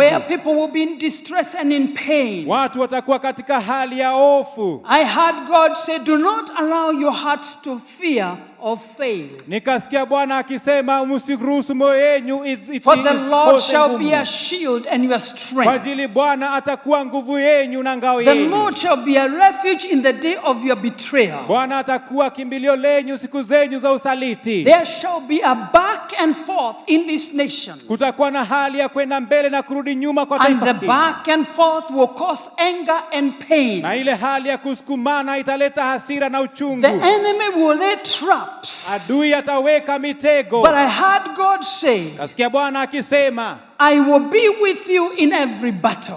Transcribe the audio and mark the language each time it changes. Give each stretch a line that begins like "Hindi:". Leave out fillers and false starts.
English: Where people will be in distress and in pain.
Swahili: Watu watakuwa katika hali ya hofu.
English: I heard God say, do not allow your hearts to fear of faith.
Swahili: Nikasikia Bwana akisema msiruhusu moyo wenu ifikie.
English: For the Lord shall be a shield and your strength.
Swahili: Kwa ajili Bwana atakuwa nguvu yenu na ngao yenu.
English: The Lord shall be a refuge in the day of your betrayal.
Swahili: Bwana atakuwa kimbilio lenu siku zenu za usaliti.
English: There shall be a back and forth in this nation.
Swahili: Kutakuwa na hali ya kwenda mbele na kurudi nyuma kwa taifa.
English: And the back and forth will cause anger and pain.
Swahili: Na ile hali ya kusukumana italeta hasira na uchungu.
English: The enemy will lay trap.
Swahili: Adui ataweka mitego.
English: But I heard God say.
Swahili: Kasikia Bwana akisema.
English: I will be with you in every battle.